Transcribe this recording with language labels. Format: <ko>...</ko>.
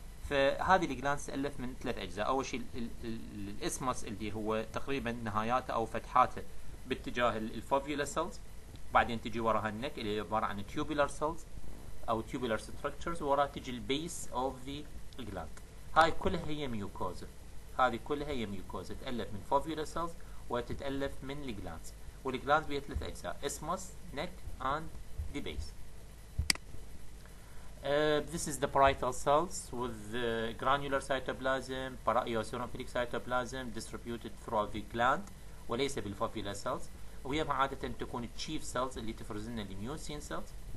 <ar>فهذه الجلانز تتالف من ثلاث اجزاء. اول شيء الاسموس اللي هو تقريبا نهاياته او فتحاته باتجاه الفوفيولا سيلز، بعدين تجي وراها النك اللي عباره عن تيوبولار سيلز او تيوبولار ستراكشرز، وراها تجي البيس اوف ذا جلاند. هاي كلها هي ميوكوزا، هذه كلها هي ميوكوزا تتالف من فوفيولا سيلز وتتالف من الجلاند. والجلاند بيها ثلاث اجزاء: اسموس، نك، اند ذا بيس.</ar> <en>This is the parietal cells with the granular cytoplasm, eosinophilic cytoplasm distributed throughout the gland</en> <ar>وليس بالفوفيولا</ar> <en>cells.</en> <ar>وهي عادة تكون chief cells اللي تفرز لنا الميوسين cells.</ar>